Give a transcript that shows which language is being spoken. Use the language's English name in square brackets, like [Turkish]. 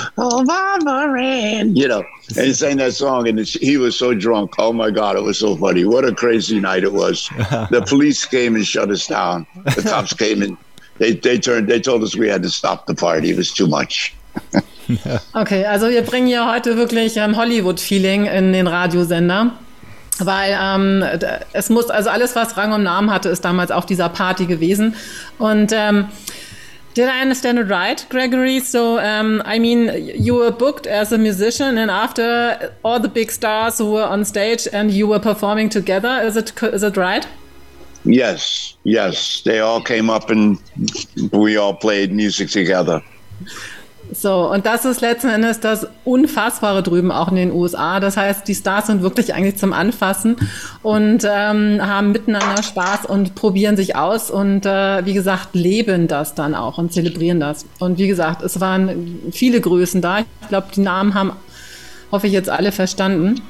[English] Barbaran, you know, and he sang that song, and he was so drunk. Oh my God, it was so funny. What a crazy night it was. The police came and shut us down. The cops came and they told us we had to stop the party. It was too much. [German] Okay, also wir bringen ja heute wirklich Hollywood-Feeling in den Radiosender. Weil es muss, also alles, was Rang und Namen hatte, ist damals auf dieser Party gewesen. Und [English] did I understand it right, Gregory? So, I mean, you were booked as a musician and after all the big stars were on stage and you were performing together, is it right? Yes, yes. They all came up and we all played music together. [German] So, und das ist letzten Endes das Unfassbare drüben auch in den USA. Das heißt, die Stars sind wirklich eigentlich zum Anfassen und haben miteinander Spaß und probieren sich aus und wie gesagt, leben das dann auch und zelebrieren das. Und wie gesagt, es waren viele Größen da. Ich glaube, die Namen haben, hoffe ich, jetzt alle verstanden.